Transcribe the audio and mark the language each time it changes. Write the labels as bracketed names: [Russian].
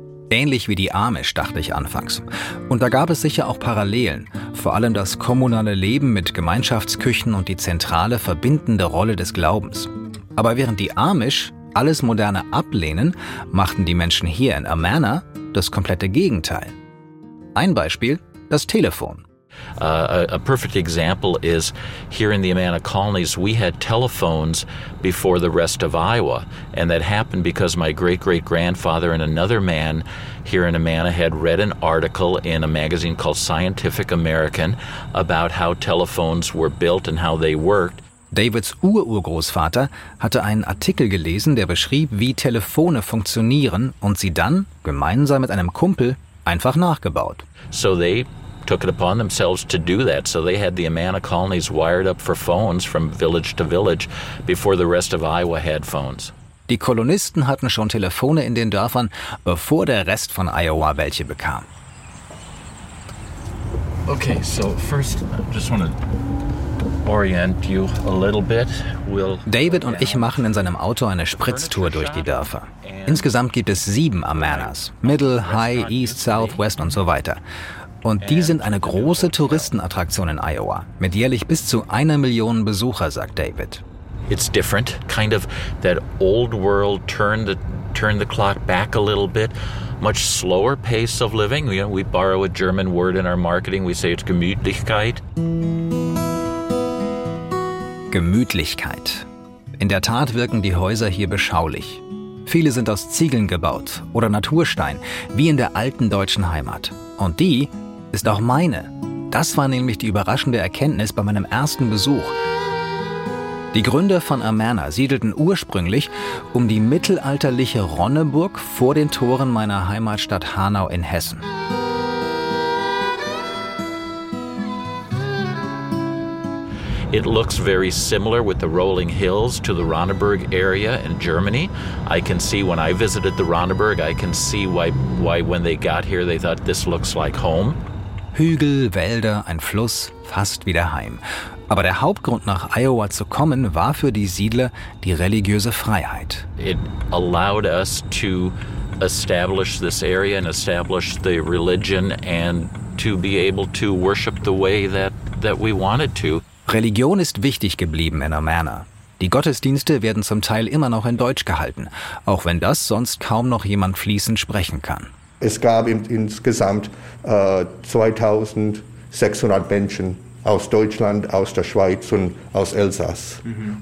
[German] Ähnlich wie die Amish, dachte ich anfangs. Und da gab es sicher auch Parallelen, vor allem das kommunale Leben mit Gemeinschaftsküchen und die zentrale, verbindende Rolle des Glaubens. Aber während die Amish alles Moderne ablehnen, machten die Menschen hier in Amana das komplette Gegenteil. Ein Beispiel, das Telefon. [English] A perfect example is here in the Amana colonies, we had telephones before the rest of Iowa. And that happened because my great-great-grandfather and another man here in Amana had read an article in a magazine called Scientific American about how telephones were built and how they worked. [German] Davids Ururgroßvater hatte einen Artikel gelesen, der beschrieb, wie Telefone funktionieren und sie dann, gemeinsam mit einem Kumpel, einfach nachgebaut. [English] So they took it upon themselves to do that. So they had the Amana colonies wired up for phones from village to village before the rest of Iowa had phones. [German] Die Kolonisten hatten schon Telefone in den Dörfern, bevor der Rest von Iowa welche bekam. [English] Okay, so first I just want to orient you a little bit. [German] David und ich machen in seinem Auto eine Spritztour durch die Dörfer. Insgesamt gibt es 7 Amanas, Middle, High, East, South, West und so weiter. Und die sind eine große Touristenattraktion in Iowa, mit jährlich bis zu 1 Million Besucher, sagt David. [English] It's different, kind of that old world, turn the clock back a little bit, much slower pace of living. You know, we borrow a German word in our marketing, we say it's Gemütlichkeit. [German] Gemütlichkeit. In der Tat wirken die Häuser hier beschaulich. Viele sind aus Ziegeln gebaut oder Naturstein, wie in der alten deutschen Heimat. Und die ist auch meine. Das war nämlich die überraschende Erkenntnis bei meinem ersten Besuch. Die Gründer von Amana siedelten ursprünglich um die mittelalterliche Ronneburg vor den Toren meiner Heimatstadt Hanau in Hessen. [English] It looks very similar with the rolling hills to the Ronneburg area in Germany. I can see when I visited the Ronneburg, I can see why when they got here they thought this looks like home. [German] Hügel, Wälder, ein Fluss, fast wieder heim. Aber der Hauptgrund, nach Iowa zu kommen, war für die Siedler die religiöse Freiheit. [English] It allowed us to establish this area and establish the religion and to be able to worship the way that we wanted to. [German] Religion ist wichtig geblieben in Amana. Die Gottesdienste werden zum Teil immer noch in Deutsch gehalten, auch wenn das sonst kaum noch jemand fließend sprechen kann. Es gab insgesamt 2600 Menschen aus Deutschland, aus der Schweiz und aus Elsass. Mhm.